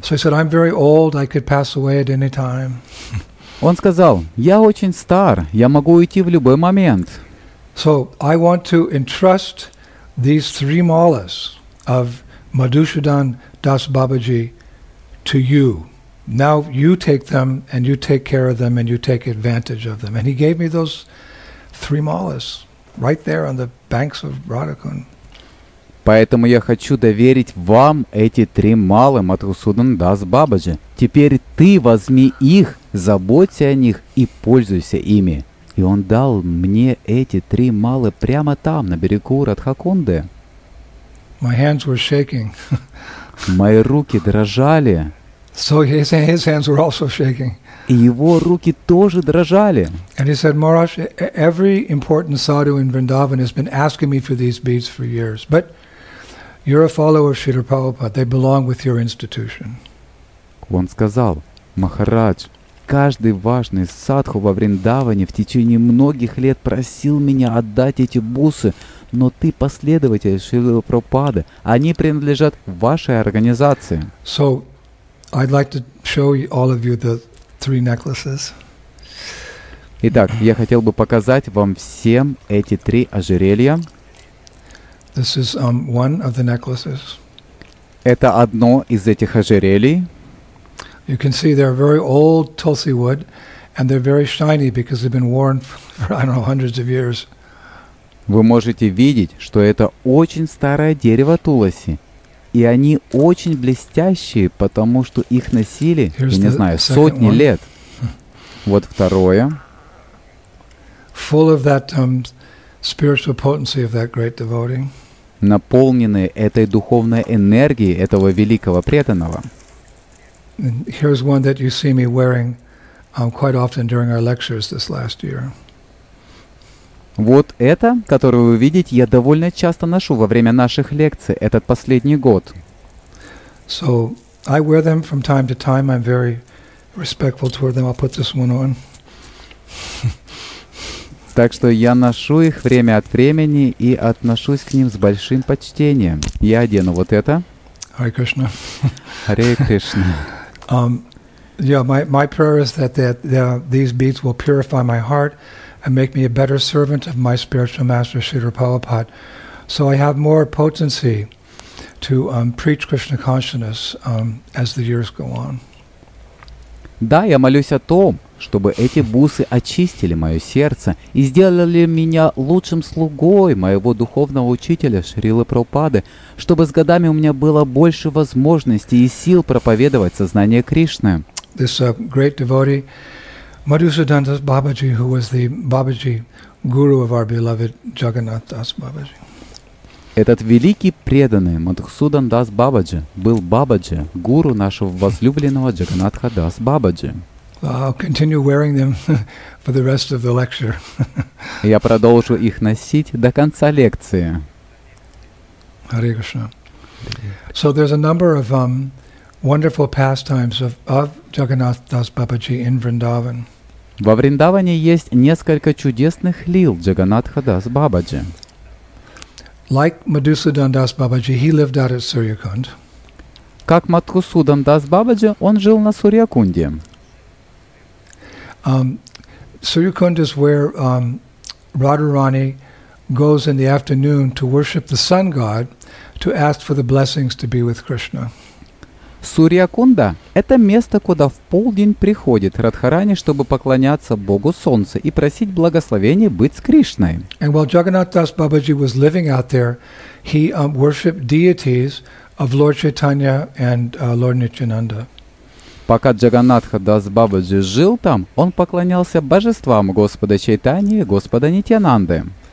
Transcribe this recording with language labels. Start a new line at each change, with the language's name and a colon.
English: So he said, I'm very old, I could pass away at any time.
Russian: Он сказал, я очень стар, я могу уйти в любой момент.
English: So I want to entrust these three malas of Madhusudan Das Babaji to you. Now you take them and you take care of them and you take advantage of them. And he gave me those three malas right there on the banks of Radhakund.
Russian: Поэтому я хочу доверить вам эти три малы Мадхусудан Дас Бабаджи. Теперь ты возьми их, заботься о них и пользуйся ими. И он дал мне эти три малы прямо там, на берегу Радхакунды.
English: My hands were shaking.
Russian: Мои руки дрожали.
English: So his hands were also shaking.
Russian: И его руки тоже дрожали.
English: And he said, Maharaj, every important sadhu in Vrindavan has been asking me for these beads for years. But you're a follower of Śrīla Prabhupāda. They belong with your institution.
Russian: Он сказал, Махарадж, каждый важный садху во Вриндаване в течение многих лет просил меня отдать эти бусы, но ты последователь Шрилы Прабхупады. Они принадлежат вашей организации.
English: So, I'd like to show all of you the three necklaces.
Russian: Итак, я хотел бы показать вам всем эти три ожерелья.
English: This is one of the necklaces.
Russian: Это одно из этих ожерелий.
English: You can see they're very old tulsi wood, and they're very shiny because they've been worn for, I don't know, hundreds of years.
Russian: Вы можете видеть, что это очень старое дерево туласи, и они очень блестящие, потому что их носили, я не знаю, сотни лет. Вот второе.
English: Full of that spiritual potency of that great devotee.
Russian: Наполненные этой духовной энергией этого великого преданного.
English: Here's one that you see me wearing quite often during our lectures this last year.
Russian: Вот это, которое вы видите, я довольно часто ношу во время наших лекций этот последний год.
English: So I wear them from time to time. I'm very respectful toward them. I'll put this one on.
Russian: Так что я ношу их время от времени и отношусь к ним с большим почтением. Я одену вот это.
English: Hare Krishna. Hare Krishna. My prayer is that these beads will purify my heart and make me a better servant of my spiritual master, Śrīla Prabhupāda. So I have more potency to preach Krishna consciousness as the years go on.
Russian: Да, я молюсь о том, чтобы эти бусы очистили мое сердце и сделали меня лучшим слугой моего духовного учителя Шрилы Прабхупады, чтобы с годами у меня было больше возможностей и сил проповедовать сознание Кришны.
English: This great devotee, Madhusudan Das Babaji, who was the Babaji guru of our beloved Jagannath Das Babaji.
Russian: Этот великий преданный Мадхусудан Дас Бабаджи был Бабаджи, гуру нашего возлюбленного Джаганатха Дас Бабаджи.
English: I'll continue wearing them for the rest of the lecture.
Russian: Я продолжу их носить до конца лекции.
English: Hare Krishna. So there's a number of wonderful pastimes of Jagannath Das Babaji in Vrindavan.
Russian: Во Вриндаване есть несколько чудесных лил Джаганатха Дас Бабаджи.
English: Like Madhusudan Das Babaji, he lived out at Suryakund.
Russian: Как Мадхусудан Дас Бабаджи, он жил на Сурьякунде.
English: Suryakund is where Radharani goes in the afternoon to worship the sun god, to ask for the blessings to be with Krishna.
Russian: Сурьякунда — Это место, куда в полдень приходит Радхарани, чтобы поклоняться Богу Солнца и просить благословения быть с Кришной.
English: And while Jagannath Das Babaji was living out there, he worshipped deities of Lord Chaitanya and Lord Nityananda.
Russian: Пока Джаганнатха Дас Бабаджи жил там, он поклонялся божествам Господа Чайтаньи и Господа Нитьянанды.